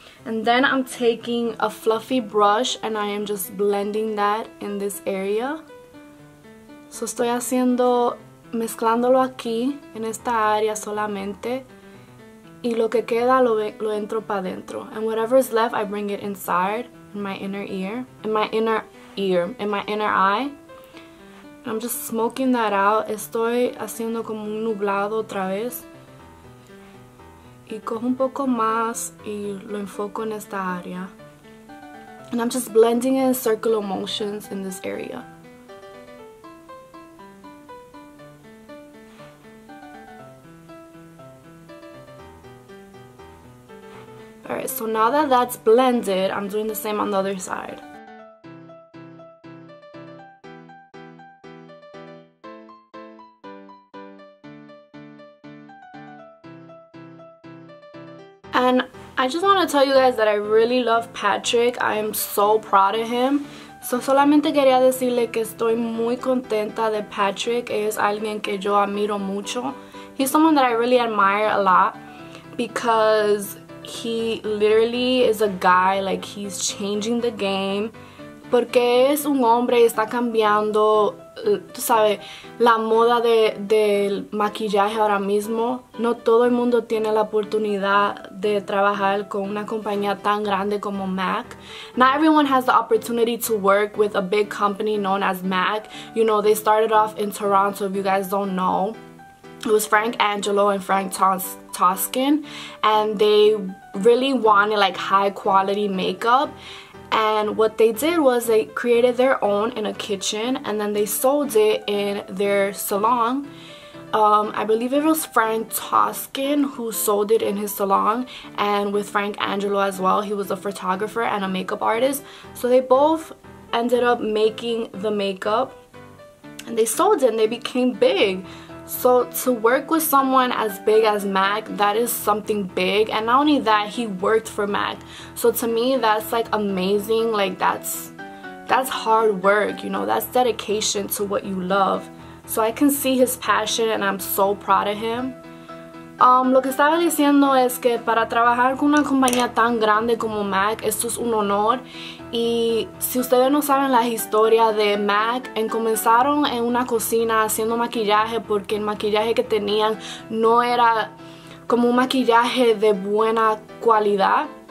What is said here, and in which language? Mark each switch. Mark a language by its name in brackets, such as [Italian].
[English] And then I'm taking a fluffy brush and I am just blending that in this area. [Spanish] So estoy haciendo, mezclándolo aquí, en esta área solamente. Y lo que queda lo entro para adentro. [English] And whatever is left, I bring it inside, in my inner ear. In my inner eye. And I'm just smoking that out. [Spanish] Estoy haciendo como un nublado otra vez. Y cojo un poco más y lo enfoco en esta área. [English] And I'm just blending in circular motions in this area. All right, so now that that's blended, I'm doing the same on the other side. And I just want to tell you guys that I really love Patrick. I am so proud of him. [Spanish] So solamente quería decirle que estoy muy contenta de Patrick. Es alguien que yo admiro mucho. [English] He's someone that I really admire a lot because he literally is a guy, like, he's changing the game. [Spanish] Porque es un hombre y está cambiando, tú sabes, la moda del maquillaje ahora mismo. No todo el mundo tiene la oportunidad de trabajar con una compañía tan grande como MAC. [English] Not everyone has the opportunity to work with a big company known as MAC. You know, they started off in Toronto, if you guys don't know. It was Frank Angelo and Frank Toskin, and they really wanted, like, high quality makeup. And what they did was they created their own in a kitchen, and then they sold it in their salon. I believe it was Frank Toskin who sold it in his salon, and with Frank Angelo as well. He was a photographer and a makeup artist. So they both ended up making the makeup, and they sold it, and they became big. So to work with someone as big as MAC, that is something big. And not only that, he worked for MAC. So to me, that's like amazing. Like that's hard work, you know, that's dedication to what you love. So I can see his passion and I'm so proud of him. [Spanish] Lo que estaba diciendo es que para trabajar con una compañía tan grande como MAC, esto es un honor. Y si ustedes no saben la historia de MAC, comenzaron en una cocina haciendo maquillaje porque el maquillaje que tenían no era como un maquillaje de buena calidad.